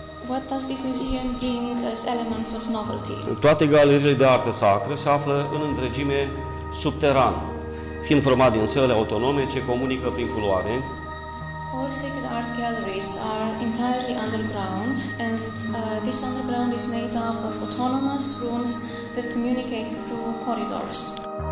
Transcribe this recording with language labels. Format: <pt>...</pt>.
<en>What does this museum bring as elements of novelty?</en> <ro>Toate galeriile de artă sacră se află în întregime subteran, fiind format din săle autonome ce comunică prin culoare.</ro> <en>All sacred art galleries are entirely underground and this underground is made up of autonomous rooms that communicate through corridors.</en>